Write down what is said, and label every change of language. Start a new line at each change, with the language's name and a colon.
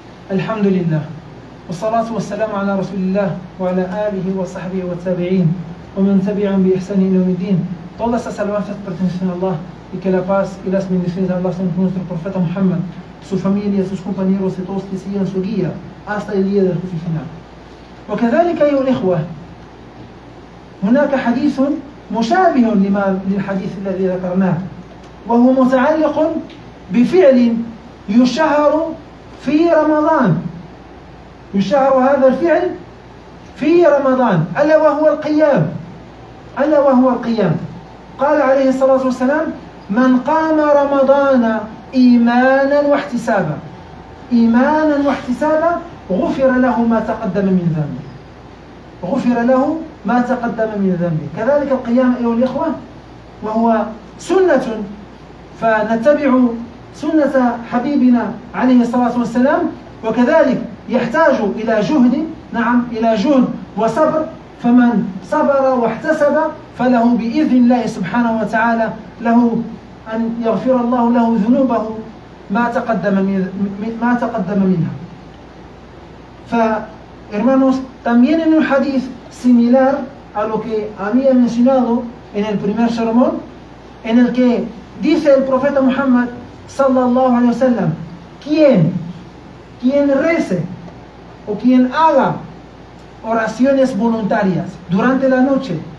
Arabic: الحمد لله والصلاة والسلام على رسول الله وعلى آله وصحبه والتابعين ومن تبعهم بإحسان إلى يوم الدين.
Spanish: Todas las alabanzas pertenecen a Allah, y que la paz y las bendiciones de Allah sean con nuestro profeta Muhammad, su familia, sus compañeros y todos que siguen su guía hasta el día del juicio final.
Arabic: وكذلك أيها الإخوة هناك حديث مشابه للحديث الذي ذكرناه وهو متعلق بفعل يشهر في رمضان. يشهر هذا الفعل في رمضان، ألا وهو القيام. ألا وهو القيام. قال عليه الصلاة والسلام: من قام رمضان إيمانا واحتسابا، إيمانا واحتسابا، غفر له ما تقدم من ذنبه، غفر له ما تقدم من ذنبه. كذلك القيام أيها الإخوة وهو سنة، فنتبع سنة حبيبنا عليه الصلاة والسلام، وكذلك يحتاج إلى جهد، نعم، إلى جهد وصبر، فمن صبر واحتسب فله بإذن الله سبحانه وتعالى له أن يغفر الله له ذنوبه ما تقدم منها.
Spanish: ف hermanos, también en un hadith similar a lo que había mencionado en el primer sermón, en el que dice el profeta Muhammad
Arabic: sallallahu alayhi wa sallam,
Spanish: quien rece o quien haga oraciones voluntarias durante la noche